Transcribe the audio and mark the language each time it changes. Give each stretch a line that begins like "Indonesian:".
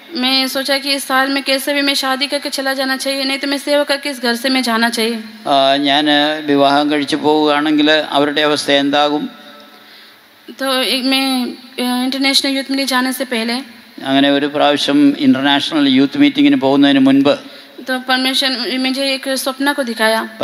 Hindi: मैं सोचा कि इस साल में कैसे भी मैं शादी करके चला जाना चाहिए नहीं तो मैं सेवा करके इस घर से मैं जाना चाहिए
Malayalam: ഞാൻ വിവാഹം കഴിച്ചു പോവുകയാണെങ്കിൽ അവരുടെ അവസ്ഥ എന്താകും
Hindi: तो मैं इंटरनेशनल यूथ मीटिंग जाने से पहले
Malayalam: അങ്ങനെ ഒരു പ്രാവശ്യം ഇന്റർനാഷണൽ യൂത്ത് മീറ്റിംഗിന് പോകുന്നതിന് മുൻപ്
Hindi: तो परमेश्वर ने मुझे एक स्वप्न को दिखाया